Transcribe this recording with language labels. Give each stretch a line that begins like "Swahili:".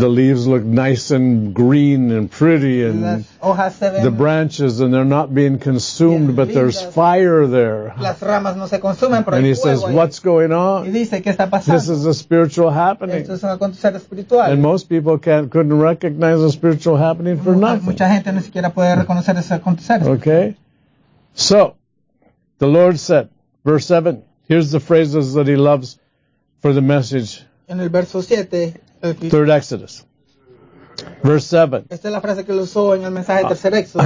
English: The leaves look nice and green and pretty, and
Spanish: las hojas se ven
English: the branches, and they're not being consumed, but there's fire there.
Spanish: Las ramas no se consumen, pero
English: and he
Spanish: fuego
English: says, what's
Spanish: ahí?
English: Going on?
Spanish: Y dice, ¿qué está pasando?
English: This is a spiritual happening.
Spanish: Esto es un acontecer espiritual.
English: And most people couldn't recognize a spiritual happening for nothing.
Spanish: Mucha gente ni siquiera puede reconocer ese acontecer.
English: Okay. So, the Lord said, verse 7, here's the phrases that he loves for the message.
Spanish: En el verso 7,
English: third Exodus. Verse 7.
Spanish: Esta es la frase que él usó en el mensaje de tercer Exodus.